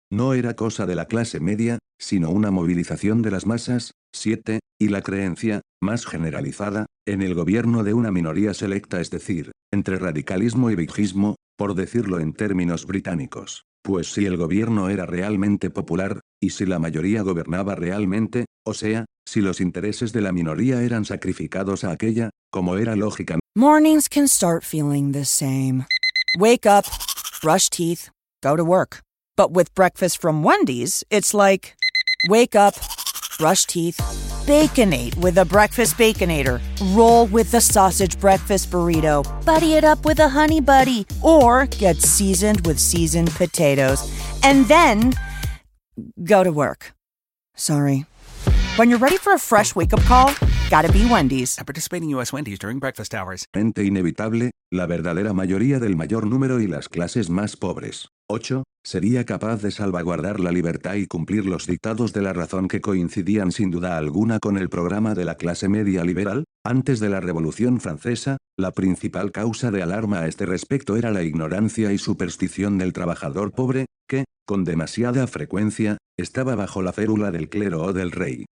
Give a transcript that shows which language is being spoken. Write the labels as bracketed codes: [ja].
[es] No era cosa de la clase media, sino una movilización de las masas, 7, y la creencia, más generalizada, en el gobierno de una minoría selecta, es decir, entre radicalismo y vigismo, por decirlo en términos británicos. Pues si el gobierno era realmente popular, y si la mayoría gobernaba realmente, o sea, si los intereses de la minoría eran sacrificados a aquella, como era lógica. [en] Mornings can start feeling the same. Wake up, brush teeth, go to work. But with breakfast from Wendy's, it's like, wake up, brush teeth, baconate with a breakfast baconator, roll with the sausage breakfast burrito, buddy it up with a honey buddy, or get seasoned with seasoned potatoes, and then go to work. Sorry. When you're ready for a fresh wake-up call, gotta be Wendy's. At participating U.S. Wendy's during breakfast hours. [es] Mente inevitable, la verdadera mayoría del mayor número y las clases más pobres. 8. Sería capaz de salvaguardar la libertad y cumplir los dictados de la razón que coincidían sin duda alguna con el programa de la clase media liberal. Antes de la Revolución Francesa, la principal causa de alarma a este respecto era la ignorancia y superstición del trabajador pobre, que, con demasiada frecuencia, estaba bajo la férula del clero o del rey.